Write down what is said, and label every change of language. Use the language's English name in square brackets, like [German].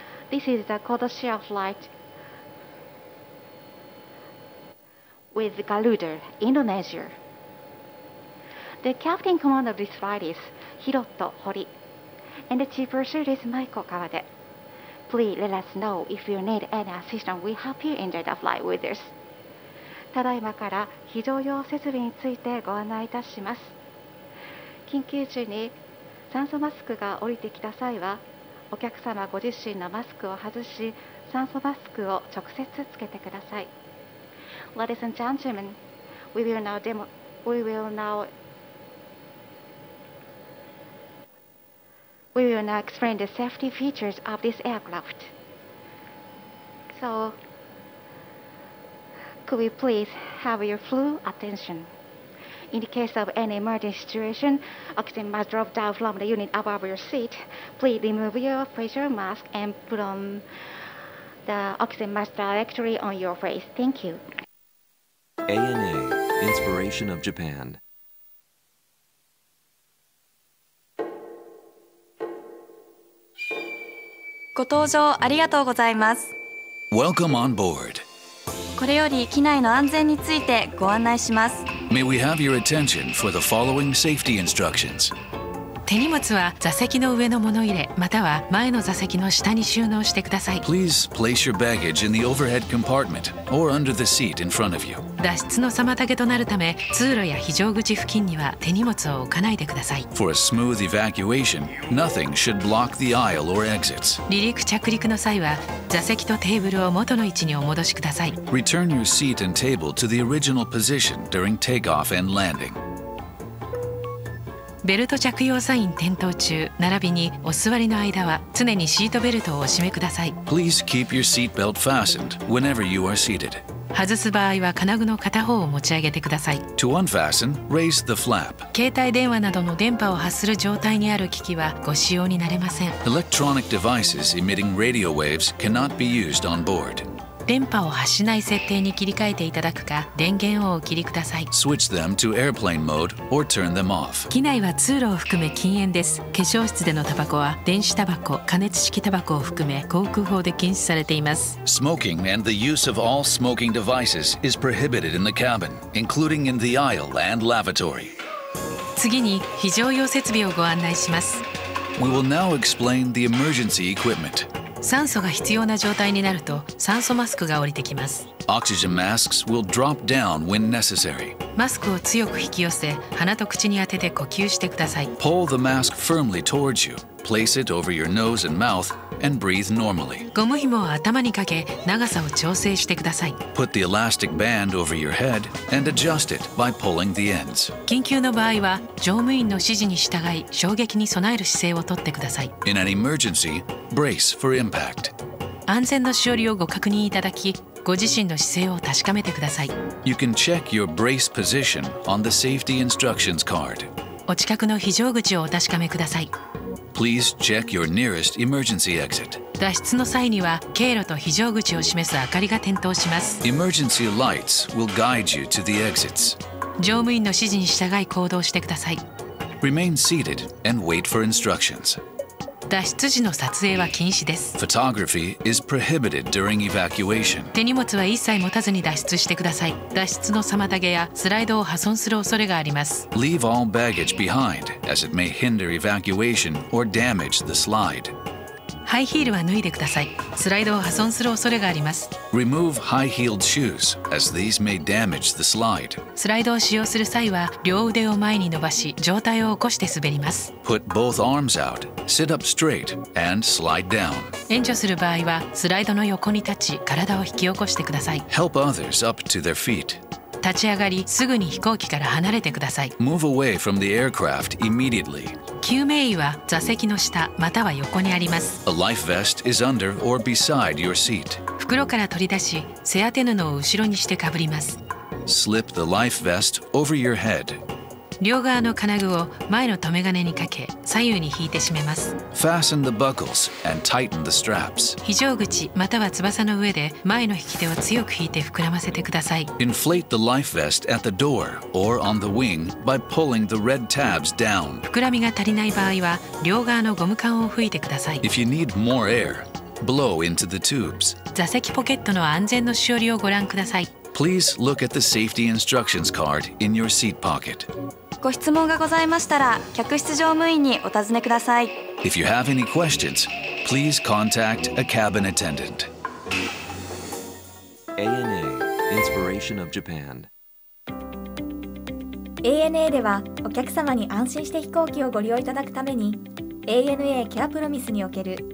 [English] This is the Kodoshia flight with Garuda, Indonesia. The captain commander of this flight is Hiroto Hori, and the chief purser is Maiko Kawade. Please let us know if you need any assistance. We hope you enjoy the flight with us. [Japanese] ただいまから非常用設備についてご案内いたします。緊急時に酸素マスクが降りてきた際はお客様ご自身のマスクを外し、酸素マスクを直接つけてください。 [English] Ladies and gentlemen, we will now demo. We will now explain the safety features of this aircraft. So, could we please have your full attention? In the case of any emergency situation, oxygen must drop down from the unit above your seat. Please remove your facial mask and put on the oxygen mask directly on your face. Thank you. ANA, Inspiration of Japan. [Japanese] ご搭乗ありがとうございます。 [English] Welcome on board. [Japanese] これより機内の安全についてご案内します。 [English] May we have your attention for the following safety instructions. [Japanese] 手荷物は座席の上の物入れまたは前の座席の下に収納してください。 [English] Please place your baggage in the overhead compartment or under the seat in front of you. [Japanese] 脱出の妨げとなるため通路や非常口付近には手荷物を置かないでください。 [English] For a smooth evacuation, nothing should block the aisle or exits. [Japanese] 離陸着陸の際は座席とテーブルを元の位置にお戻しください。 [English] Return your seat and table to the original position during takeoff and landing. [Japanese] ベルト着用サイン点灯中並びにお座りの間は常にシートベルトをお締めください。 [English] Please keep your seat belt fastened whenever you are seated. [Japanese] 外す場合は金具の片方を持ち上げてください。 [English] To unfasten, raise the flap. [Japanese] 携帯電話などの電波を発する状態にある機器はご使用になれません。 [English] Electronic devices emitting radio waves cannot be used on board. [Japanese] 電波を発しない設定に切り替えていただくか、電源をお切りください。 [English] Switch them to airplane mode or turn them off. [Japanese] 機内は通路を含め禁煙です。化粧室でのタバコは電子タバコ、加熱式タバコを含め航空法で禁止されています。 [English] Smoking and the use of all smoking devices is prohibited in the cabin, including in the aisle and lavatory. [Japanese] 次に非常用設備をご案内します。 [English] We will now explain the emergency equipment. [Japanese] 酸素が必要な状態になると酸素マスクが降りてきます。 [English] Oxygen masks will drop down when necessary. [Japanese] マスクを強く引き寄せ、鼻と口に当てて呼吸してください。 [English] Pull the mask firmly towards you. Place it over your nose and mouth and breathe normally. [Japanese] ゴム紐を頭にかけ、長さを調整してください。 [English] Put the elastic band over your head and adjust it by pulling the ends. [Japanese] 緊急の場合は、乗務員の指示に従い、衝撃に備える姿勢をとってください。 [English] In an emergency, brace for impact. [Japanese] 安全のしおりをご確認いただき、ご自身の姿勢を確かめてください。 [English] You can check your brace position on the safety instructions card. [Japanese] お近くの非常口をお確かめください。 [English] Please check your nearest emergency exit. [Japanese] 脱出の際には経路と非常口を示す明かりが点灯します。 [English] Emergency lights will guide you to the exits. [Japanese] 乗務員の指示に従い行動してください。 [English] Remain seated and wait for instructions. [Japanese] 脱出時の撮影は禁止です。 [English] Photography is prohibited during evacuation. [Japanese] 手荷物は一切持たずに脱出してください。脱出の妨げやスライドを破損する恐れがあります。 [English] Leave all baggage behind, as it may hinder evacuation or damage the slide. [Japanese] ハイヒールは脱いでください。スライドを破損する恐れがあります。 [English] Remove high-heeled shoes, as these may damage the slide. [Japanese] スライドを使用する際は、両腕を前に伸ばし、上体を起こして滑ります。 [English] Put both arms out. Sit up straight and slide down. [Japanese] 援助する場合はスライドの横に立ち体を引き起こしてください。 [English] Help others up to their feet. [Japanese] 立ち上がりすぐに飛行機から離れてください。 [English] Move away from the aircraft immediately. [Japanese] 救命衣は座席の下または横にあります。 [English] A life vest is under or beside your seat. [Japanese] 袋から取り出し背当て布を後ろにしてかぶります。 [English] Slip the life vest over your head. [Japanese] 両側の金具を前の留め金にかけ、左右に引いて締めます。 [English] Fasten the buckles and tighten the straps. [Japanese] 非常口または翼の上で前の引き手を強く引いて膨らませてください。 [English] Inflate the life vest at the door or on the wing by pulling the red tabs down. [Japanese] 膨らみが足りない場合は両側のゴム管を吹いてください。 [English] If you need more air, blow into the tubes. [Japanese] 座席ポケットの安全のしおりをご覧ください。 [English] Please look at the safety instructions card in your seat pocket. [Japanese] ご質問がございましたら、客室乗務員にお尋ねください。 [English] If you have any questions, please contact a cabin attendant. ANA, Inspiration of Japan. [Japanese] ANA では、お客様に安心して飛行機をご利用いただくために、ANA Care Promise における